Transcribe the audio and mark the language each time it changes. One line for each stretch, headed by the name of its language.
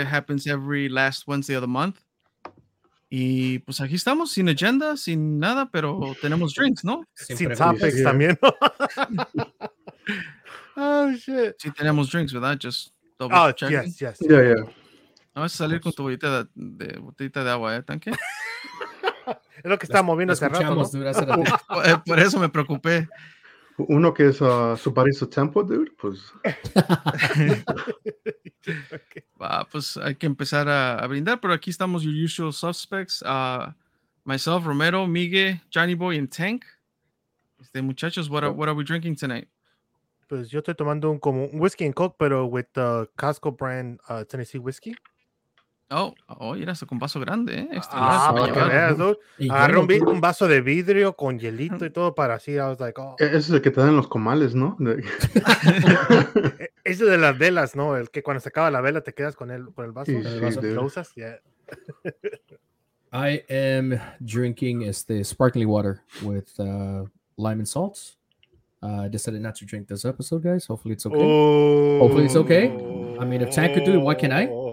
English: It happens every last Wednesday of the month.
Spanish: Y pues aquí estamos, sin agenda, sin nada, pero tenemos drinks, ¿no? Sin topics también.
English: Oh, shit.
Spanish: Sí tenemos drinks, ¿verdad?
English: Just double checking. Oh, yes. Yeah.
Spanish: No vas a salir con tu botellita de agua, ¿eh, tanque? Es lo que está moviendo hace rato, ¿no? Por eso me preocupé. Uno que es su Paris Temple, dude, pues. Okay. Pues hay que empezar a brindar, pero aquí estamos,
English: your usual suspects. Myself, Romero, Migue, Johnny Boy, and Tank.
Spanish: Este, muchachos,
English: what are we drinking tonight?
Spanish: Pues yo estoy tomando un
English: whiskey and coke,
Spanish: pero
English: with the Costco brand Tennessee whiskey.
Spanish: Oh, era hasta con vaso grande, ¿eh? Ah, para que veas, agarré un vaso de vidrio con hielito y todo para así.
English: I was like, oh.
Spanish: Ese es el que te dan los comales, ¿no? Ese de las velas, ¿no? El que cuando se acaba la vela te quedas con el vaso. Sí, el vaso, lo usas, yeah.
English: I am drinking sparkling water with lime and salts. I decided not to drink this episode, guys. Hopefully it's okay. Oh. Hopefully it's okay. I mean, if Tank could do it, why can't I?